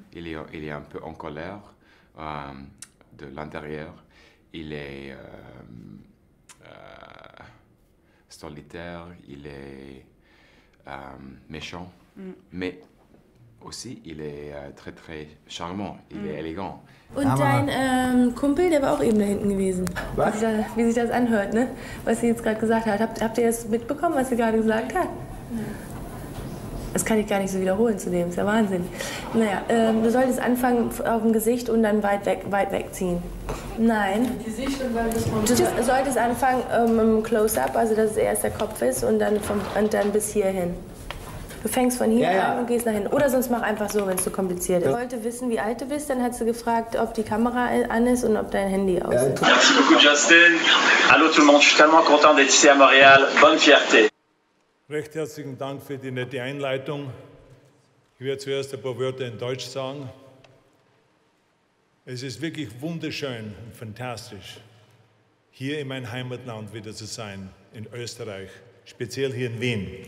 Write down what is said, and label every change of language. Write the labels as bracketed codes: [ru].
[fr] Il est un peu en colère de l'intérieur. Il est solitaire, il est méchant. Mais aussi, il est très très charmant, il est élégant. [de] Und dein Kumpel, der war auch eben da hinten gewesen. Was? Wie sich das anhört, ne? Was sie jetzt gerade gesagt hat. Habt ihr das mitbekommen, was sie gerade gesagt hat? Das kann ich gar nicht so wiederholen zu dem, ist ja Wahnsinn. Naja, du solltest anfangen auf dem Gesicht und dann weit wegziehen. Nein. Du solltest anfangen im Close-Up, also dass es erst der Kopf ist und dann, und dann bis hierhin. Du fängst von hier an und gehst nach hinten. Oder sonst mach einfach so, wenn es zu kompliziert ist. Ich wollte wissen, wie alt du bist. Dann hat sie gefragt, ob die Kamera an ist und ob dein Handy aus ist. [fr] Merci beaucoup, Justin. Hallo, tout le monde. Je suis tellement content d'être ici à Montréal. Bonne fierté. [de] Recht herzlichen Dank für die nette Einleitung. Ich werde zuerst ein paar Wörter in Deutsch sagen. Es ist wirklich wunderschön und fantastisch, hier in meinem Heimatland wieder zu sein, in Österreich, speziell hier in Wien.